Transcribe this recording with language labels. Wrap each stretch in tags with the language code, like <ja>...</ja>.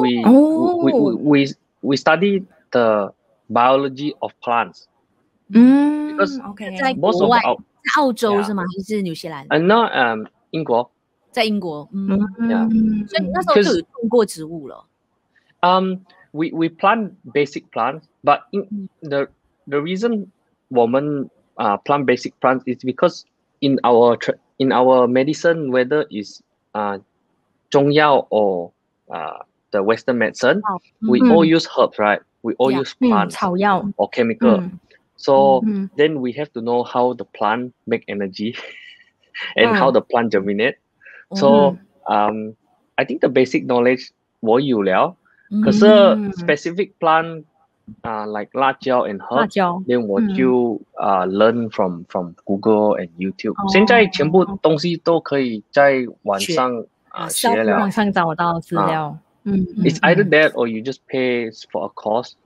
<en>We study the biology of plants。 Because okay，</en> <zh>在国外，在澳洲是吗？还是纽西兰？英国。在英国，</zh> <en>yeah.</en> <zh>所以那时候就有种过植物了。</zh> <en>We plant basic plants, but the reason</en> <zh>我们</zh> <en>plant basic plants is because in our medicine, whether is 中药 or the Western medicine, we all use herbs, right? We all use plants,</en> <zh>草药</zh> <en>or chemical. So then we have to know how the plant make energy and how the plant germinate. So, I think the basic knowledge</en> <zh>我有了，可是</zh> <en>specific plant, like 辣椒 and herb,</en> <zh>辣椒</zh> <en>then</en> <zh>我就</zh> <en>learn from Google and YouTube.</en> <zh>现在全部东西都可以在网上学了，网上找到资料。</zh> <en>It's either that or you just pay for a course.</en>